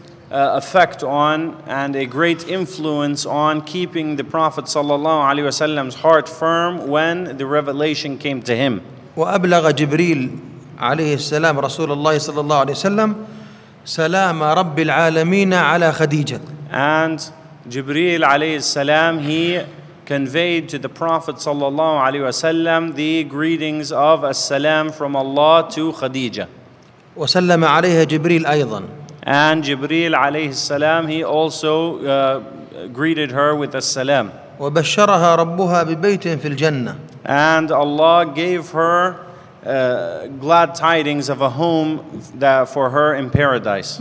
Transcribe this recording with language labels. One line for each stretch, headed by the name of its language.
English: effect on and a great influence on keeping the Prophet sallallahu alaihi wasallam's heart firm when the revelation came to him.
Arabic: وأبلغ جبريل عليه السلام رسول الله صلى الله عليه وسلم سلام رب العالمين على خديجة.
English: And Jibril
Arabic: عليه السلام,
English: he conveyed to the Prophet sallallahu alaihi wasallam the greetings of as-salam from Allah to Khadija.
Arabic: وسلم عليها جبريل أيضا.
English: And Jibril
Arabic: عليه السلام,
English: he also greeted her with as-salam.
Arabic: وبشرها ربها ببيت في الجنة.
English: And Allah gave her glad tidings of a home that for her in paradise.